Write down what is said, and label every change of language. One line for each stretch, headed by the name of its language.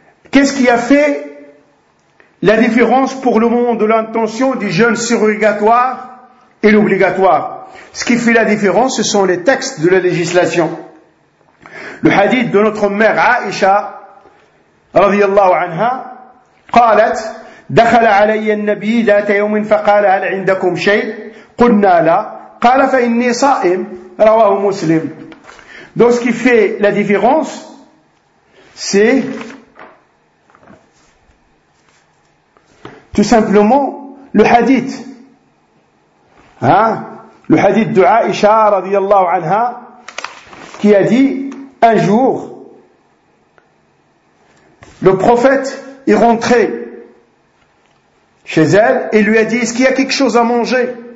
French: Qu'est-ce qui a fait la différence pour le moment de l'intention du jeûne surrogatoire et l'obligatoire? Ce qui fait la différence, ce sont les textes de la législation. Le hadith de notre mère Aïcha, radiyallahu anha,
Arabic: قالت دخل علي النبي ذات يوم فقال هل عندكم شيء قلنا لا قال فإني صائم رواه مسلم.
French: Donc ce qui fait la différence, c'est tout simplement le hadith. Hein? Le hadith de Aïcha radiyallahu anha qui a dit, un jour le prophète est rentré chez elle et lui a dit, est-ce qu'il y a quelque chose à manger?